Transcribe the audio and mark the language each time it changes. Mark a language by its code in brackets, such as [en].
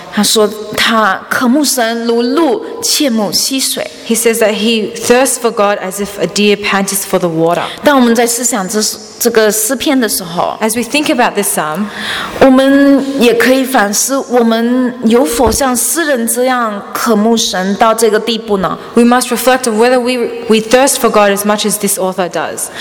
[zh] 他说他渴慕神如鹿切慕溪水。 [en] He says that he thirsts for God as if a deer pants for the water. [zh] 当我们在思想这个诗篇的时候， [en] As we think about this psalm, [zh] 我们也可以反思，我们有否像诗人这样渴慕神到这个地步呢？ [en] We must reflect on whether we thirst for God as much as this author does.